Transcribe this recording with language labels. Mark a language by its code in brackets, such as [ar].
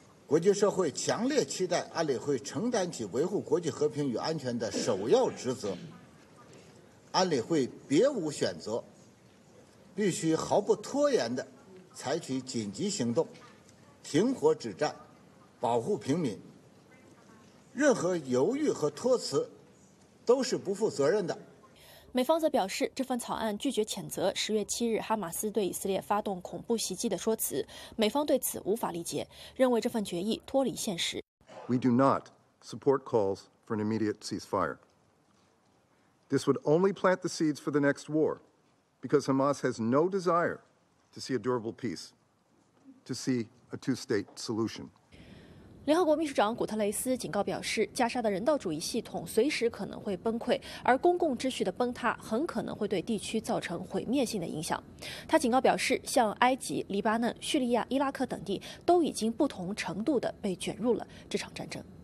[zh] 国际社会强烈期待安理会承担起维护国际和平与安全的首要职责，安理会别无选择，必须毫不拖延地采取紧急行动，停火止战，保护平民。任何犹豫和托辞都是不负责任的。美方则表示，这份草案拒绝谴责10月7日哈马斯对以色列发动恐怖袭击的说辞，美方对此无法理解，认为这份决议脱离现实。 [en] We do not support calls for an immediate ceasefire. This would only plant the seeds for the next war, because Hamas has no desire to see a durable peace, to see a two-state solution. [zh] 联合国秘书长古特雷斯警告表示，加沙的人道主义系统随时可能会崩溃，而公共秩序的崩塌很可能会对地区造成毁灭性的影响。他警告表示，像埃及、黎巴嫩、叙利亚、伊拉克等地都已经不同程度地被卷入了这场战争。